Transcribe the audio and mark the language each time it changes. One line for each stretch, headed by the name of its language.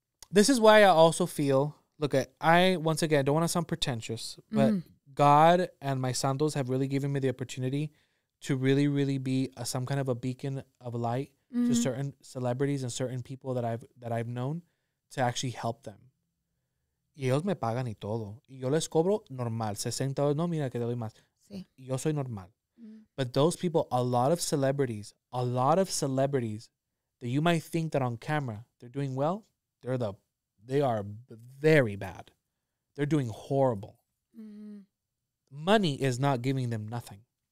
English: This is why I also feel, look, I, once again, don't want to sound pretentious, but God and my santos have really given me the opportunity to really, really be some kind of a beacon of light to certain celebrities and certain people that I've known to actually help them.
Spanish: Y ellos me pagan y todo. Y yo les cobro normal, 60 dólares. No, mira, que te doy más. Sí. Yo soy normal. Mm.
English: But those people, a lot of celebrities that you might think that on camera they're doing well, They are very bad. They're doing horrible. Mm-hmm. Money is not giving them nothing.